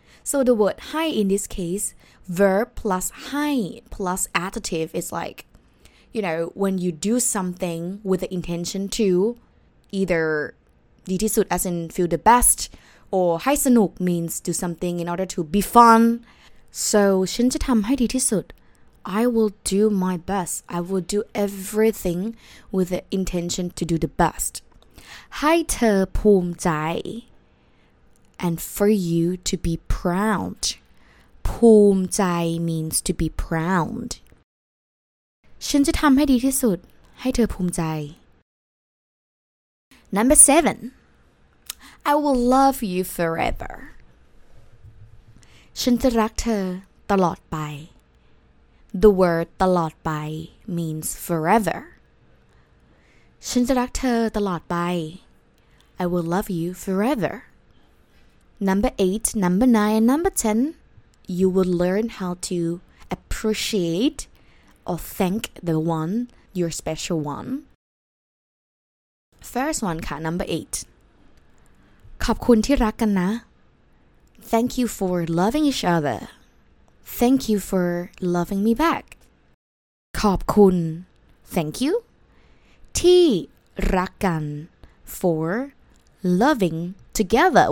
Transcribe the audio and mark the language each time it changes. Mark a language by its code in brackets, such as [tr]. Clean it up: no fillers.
[en] So the word ให in this case, verb plus ให plus adjective is like, you know, when you do something with the intention to either [th] ดีที่สุด [en] as in feel the bestOr [th] ให้สนุก [en] means do something in order to be fun. So, [th] ฉันจะทำให้ดีที่สุด [en] I will do my best. I will do everything with the intention to do the best. [th] ให้เธอภูมิใจ [en] And for you to be proud. ภูมิใจ means to be proud. [th] ฉันจะทำให้ดีที่สุดให้เธอภูมิใจ [en] Number 7. I will love you forever. [th] ฉันจะรักเธอตลอดไป [en] The word ตลอดไป means forever. [th] ฉันจะรักเธอตลอดไป [en] I will love you forever. Number 8, number 9, number 10, you will learn how to appreciate or thank the one, your special one. First one ค่ะ number 8. [th] ขอบคุณที่รักกันนะ [en] Thank you for loving each other. Thank you for loving me back. ขอบคุณ Thank you. [th] ที่รักกัน [en] For loving together.